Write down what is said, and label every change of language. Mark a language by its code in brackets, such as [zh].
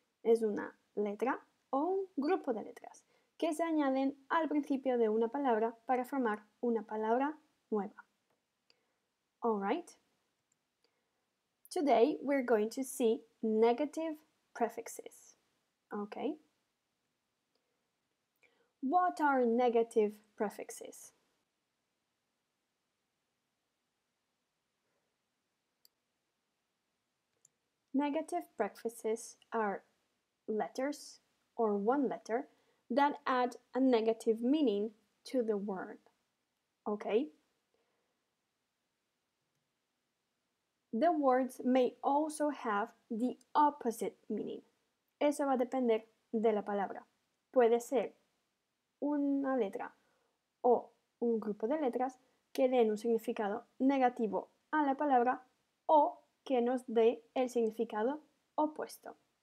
[es] Es una letra o un grupo de letras que se añaden al principio de una palabra para formar una palabra nueva. [en] All right. Today we're going to see negative prefixes, okay? What are negative prefixes? Negative prefixes are letters, or one letter, that add a negative meaning to the word, okay? The words may also have the opposite meaning. [es] Eso va a depender de la palabra. Puede ser una letra o un grupo de letras que den un significado negativo a la palabra o que nos dé el significado opuesto.